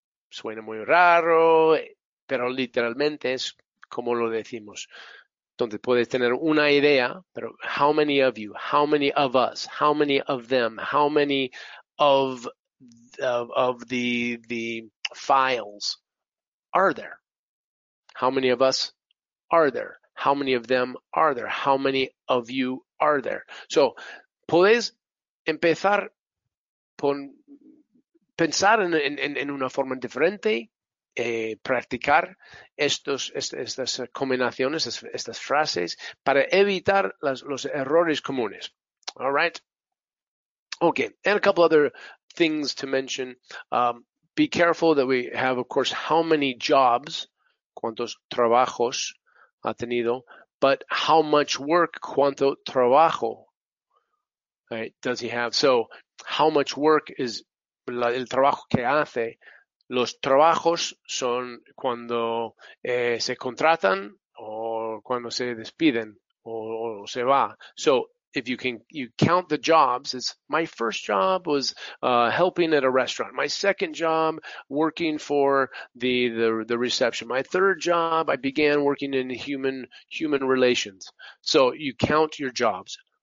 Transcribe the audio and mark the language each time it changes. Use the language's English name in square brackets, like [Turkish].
[Spanish] Suena muy raro, pero literalmente es como lo decimos. Donde puedes tener una idea, pero [English] how many of you, how many of us, how many of them, how many of the files are there? How many of us are there? How many of them are there? How many of you are there? [Spanish] So, puedes empezar con pensar en una forma diferente, practicar estas combinaciones, estas frases, para evitar los errores comunes. [English] All right? Okay, and a couple other things to mention. Be careful that we have, of course, how many jobs, [Spanish] cuántos trabajos ha tenido, [English] but how much work, [Spanish] cuánto trabajo, [English] right, does he have? So, how much work is [Spanish] el trabajo que hace? Los trabajos son cuando se contratan o cuando se despiden o se va. [English] So, if you count the jobs, it's my first job was helping at a restaurant. My second job, working for the reception. My third job, I began working in human relations. So you count your jobs.